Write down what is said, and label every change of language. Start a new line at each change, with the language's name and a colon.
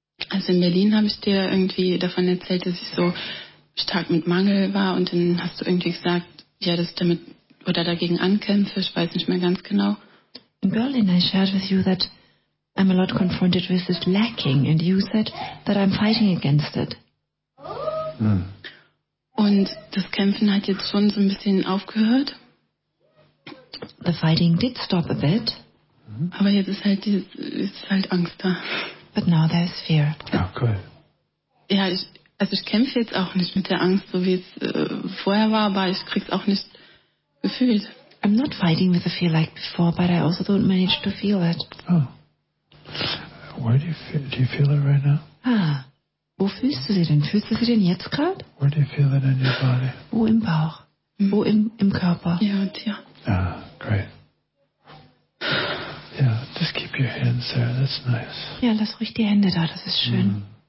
German: Also in Berlin habe ich dir irgendwie davon erzählt, dass ich so stark mit Mangel war und dann hast du irgendwie gesagt, ja, dass ich damit oder dagegen ankämpfe, ich weiß nicht mehr ganz genau.
English: In Berlin I shared with you that I'm a lot confronted with this lacking and you said that I'm fighting against it.
German: Und das Kämpfen hat jetzt schon so ein bisschen aufgehört.
English: The fighting did stop a bit.
German: Aber jetzt ist halt, Angst da.
English: But now there's fear. Oh, cool.
German: Ja, ich kämpfe jetzt auch nicht mit der Angst, so wie es vorher war, aber ich krieg's auch nicht gefühlt.
English: I'm not fighting with the fear like before, but I also don't manage to feel it. Oh. Where do you feel it right now?
German: Ah. Wo fühlst du sie denn? Fühlst du sie denn jetzt gerade?
English: Where do you feel it in your body?
German: Wo im Bauch? Wo im Körper? Ja, tja.
English: Ah, great. Ja, yeah, just keep your hands there, that's nice.
German: Ja, lass ruhig die Hände da, das ist schön.